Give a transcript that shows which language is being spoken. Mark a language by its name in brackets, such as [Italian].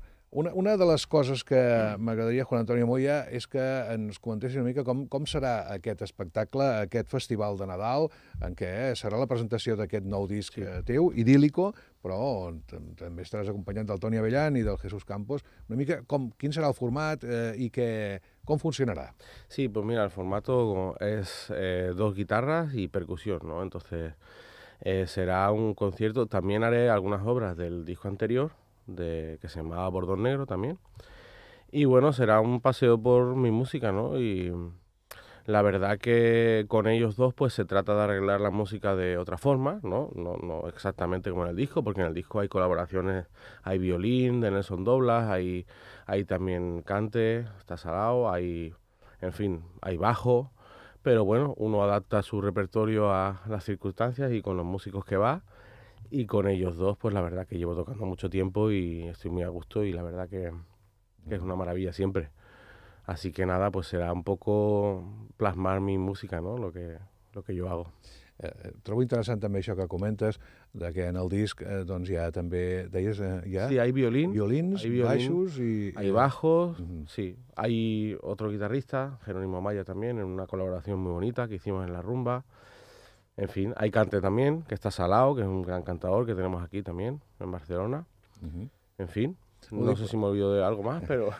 [Catalan] Una de les coses que m'agradaria, Juan Antonio Moya, és que ens comentessin una mica com serà aquest espectacle, aquest festival de Nadal, en què serà la presentació d'aquest nou disc teu, Idílico, però també estaràs acompanyat del Toni Avellán i del Jesús Campos. Una mica, quin serà el format i com funcionarà? [Spanish] Sí, pues mira, el formato es dos guitarras y percusión, ¿no? Entonces... será un concierto, también haré algunas obras del disco anterior, que se llamaba Bordón Negro también. Y bueno, será un paseo por mi música, ¿no? Y la verdad que con ellos dos pues se trata de arreglar la música de otra forma, ¿no? No exactamente como en el disco, porque en el disco hay colaboraciones, hay violín de Nelson Doblas, hay también cante, está Salao, hay bajo... Pero bueno, uno adapta su repertorio a las circunstancias y con los músicos que va. Y con ellos dos, pues la verdad que llevo tocando mucho tiempo y estoy muy a gusto y la verdad que es una maravilla siempre. Así que nada, pues será un poco plasmar mi música, ¿no? Lo que yo hago. [Catalan] Trobo interessant també això que comentes, de que en el disc doncs hi ha també, deies, hi ha... [Spanish] Sí, hay violín. [Catalan] Violins, [Spanish] hay violín, [Catalan] baixos i... [Spanish] Hay bajos, sí. Hay otro guitarrista, Jerónimo Amaya también, en una colaboración muy bonita que hicimos en La Rumba. En fin, hay Cante también, que está Salao, que es un gran cantador que tenemos aquí también, en Barcelona. En fin, no sé si me olvido de algo más, pero...